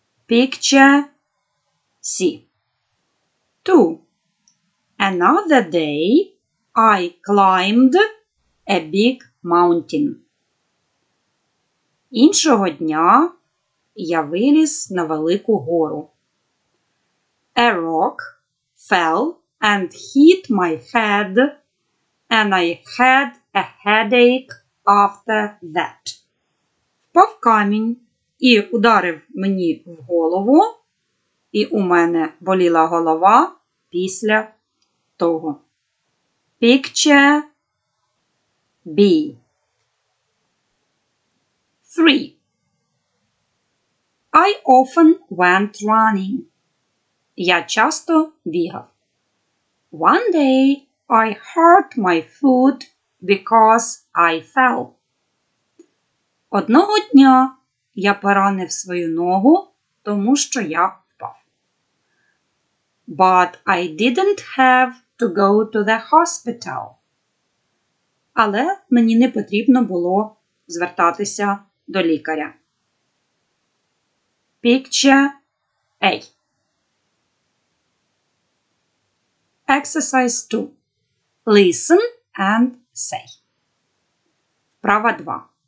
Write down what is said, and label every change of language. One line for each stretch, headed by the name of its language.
English: Picture C. 2. Another day I climbed a big mountain.
Ukrainian: Іншого дня я виліз на велику гору.
English: A rock fell and hit my head, and I had a headache after that.
Ukrainian: Впав камінь і ударив мені в голову, і у мене боліла голова після того.
English: Picture B. 3. I often went running.
Ukrainian: Я часто бігав.
English: One day I hurt my foot because I fell.
Ukrainian: Одного дня я поранив свою ногу, тому що я впав.
English: But I didn't have to go to the hospital.
Ukrainian: Але мені не потрібно було звертатися до лікаря.
English: Picture A. Exercise 2. Listen and say.
Ukrainian: Вправа 2.